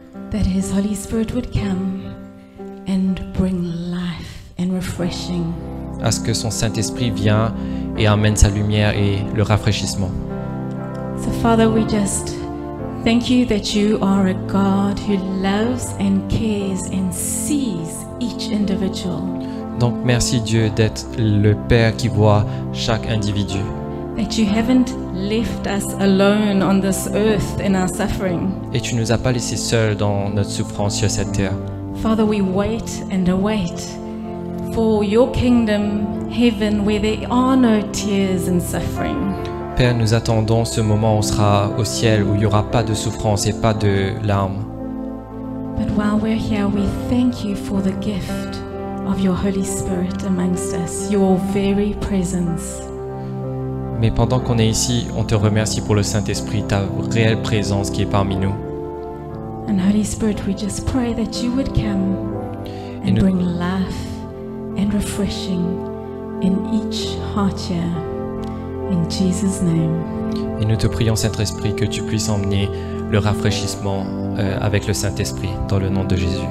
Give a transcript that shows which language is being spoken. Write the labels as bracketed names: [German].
[English] that his Holy Spirit would come and bring life and refreshing. [French] À ce que son Saint-Esprit vient et amène sa lumière et le rafraîchissement. [English] So Father, we just thank you that you are a God who loves and cares and sees each individual. [French] Donc merci Dieu d'être le Père qui voit chaque individu. [English] That you haven't left us alone on this earth in our suffering. [French] Et tu ne nous as pas laissés seuls dans notre souffrance sur cette terre. [English] Father, we wait and await for your kingdom, heaven, where there are no tears and suffering. [French] Père, nous attendons ce moment où on sera au ciel, où il n'y aura pas de souffrance et pas de larmes. [English] But while we're here, we thank you for the gift of your Holy Spirit amongst us, your very presence. [French] Mais pendant qu'on est ici, on te remercie pour le Saint-Esprit, ta réelle présence qui est parmi nous. [English] And Holy Spirit, we just pray that you would come and bring life and refreshing in each heart here. In Jesus' name. [French] Et nous te prions, Saint-Esprit, que tu puisses emmener le rafraîchissement avec le Saint-Esprit, dans le nom de Jésus.